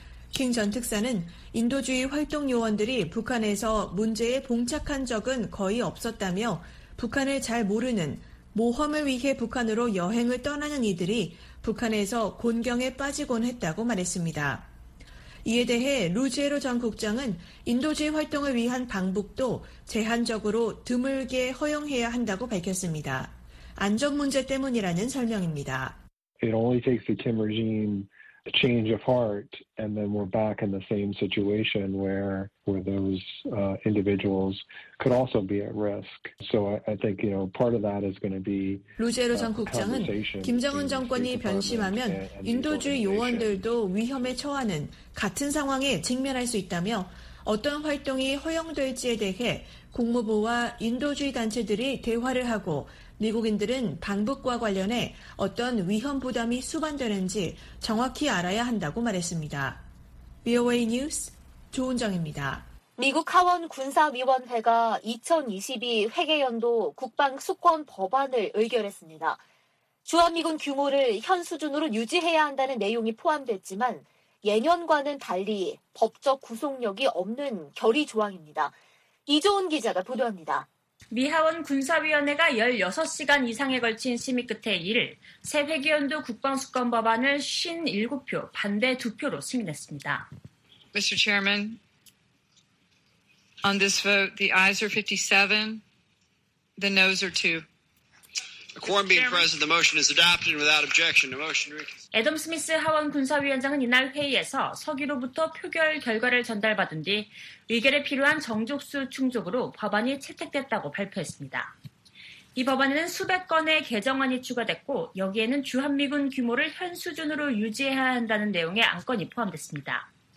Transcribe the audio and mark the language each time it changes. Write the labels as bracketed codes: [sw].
[ko] 킹 전 특사는 인도주의 활동 요원들이 북한에서 문제에 봉착한 적은 거의 없었다며 북한을 잘 모르는 모험을 위해 북한으로 여행을 떠나는 이들이 북한에서 곤경에 빠지곤 했다고 말했습니다. 이에 대해 루지에로 전 국장은 인도주의 활동을 위한 방북도 제한적으로 드물게 허용해야 한다고 밝혔습니다. 안전 문제 때문이라는 설명입니다. [en] It only takes the Kim regime a change of heart and then we're back in the same situation where those individuals could also be at risk. So I think, you know, part of that is going to be [ko] 루제로 전 국장은 김정은 정권이 변심하면 인도주의 요원들도 위험에 처하는 같은 상황에 직면할 수 있다며 어떤 활동이 허용될지에 대해 국무부와 인도주의 단체들이 대화를 하고 미국인들은 방북과 관련해 어떤 위험 부담이 수반되는지 정확히 알아야 한다고 말했습니다. VOA 뉴스 조은정입니다. 미국 하원 군사위원회가 2022 회계연도 국방수권 법안을 의결했습니다. 주한미군 규모를 현 수준으로 유지해야 한다는 내용이 포함됐지만 예년과는 달리 법적 구속력이 없는 결의 조항입니다. 이조은 기자가 보도합니다. 미 하원 군사위원회가 16시간 이상에 걸친 심의 끝에 이를 새 회기연도 국방수권 법안을 57표 반대 2표로 승인했습니다. [en] Mr. Chairman, on this vote, the ayes are 57, the noes are 2. Quorum being present, the motion is adopted without objection. The motion reconsidered. [ko] 애덤 스미스 하원 군사위원장은 이날 회의에서 서기로부터 표결 결과를 전달받은 뒤 의결에 필요한 정족수 충족으로 법안이 채택됐다고 발표했습니다. 이 법안에는 수백 건의 개정안이 추가됐고 여기에는 주한미군 규모를 현 수준으로 유지해야 한다는 내용의 안건이 포함됐습니다.